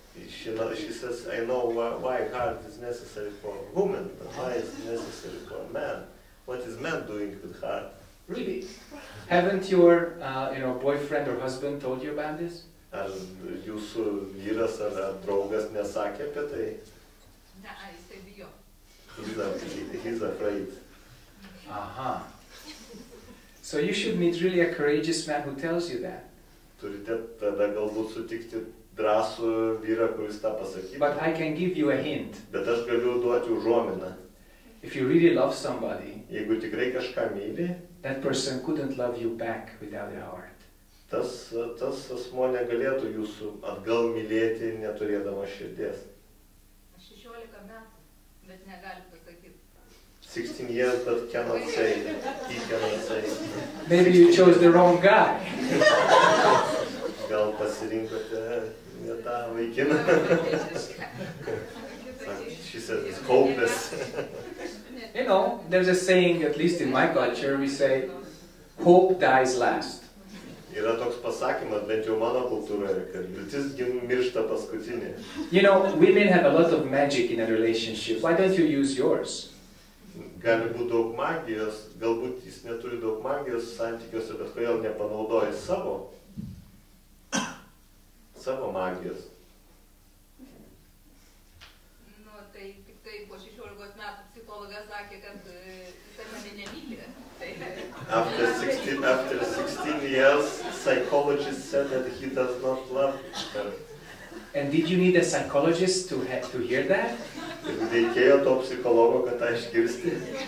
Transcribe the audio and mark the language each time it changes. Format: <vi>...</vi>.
<en>She says, I know why heart is necessary for a woman, but why is it necessary for a man? What is man doing with heart? Really? Haven't your boyfriend or husband told you about this?</en> <lt>Ar jūsų vyras ar draugas nesakė apie tai? Ne, jis tai bijo.</lt> <en>He's afraid. Aha. So you should meet really a courageous man who tells you that.</en> <lt>Turite tada galbūt sutikti drąsų vyrą, kuris tą pasakytų.</lt> <en>But I can give you a hint.</en> <lt>Bet aš galiu duoti užuominą.</lt> <en>If you really love somebody,</en> <lt>jeigu tikrai kažką myli,</lt> <en>that person couldn't love you back without your heart.</en> <lt>Tas asmo negalėtų jūsų atgal mylėti, neturėdama širdies. 16 metų, bet negali pasakyti.</lt> <en>16 years, but cannot say. He cannot say. Maybe you chose the wrong guy.</en> <lt>Gal pasirinkote ne tą vaikiną.</lt> <en>She says it's hopeless. You know, there's a saying, at least in my culture, we say, hope dies last.</en> <lt>Yra toks pasakymas, bet jau mano kultūroje, kad viltis miršta paskutinė.</lt> <en>You know, women have a lot of magic in a relationship. Why don't you use yours?</en> <lt>Gali būti daug magijos, galbūt jis neturi daug magijos santykiuose, bet kodėl nepanaudoja savo magijos. Nu, tai tik tai po 16 metų psichologas sakė, kad tai mane nemylė.</lt> <en>After 16 years, psychologist said that he does not love her. And did you need a psychologist to have to hear that?</en> <lt>Reikėjo to psichologo, kad tą išgirsti.</lt>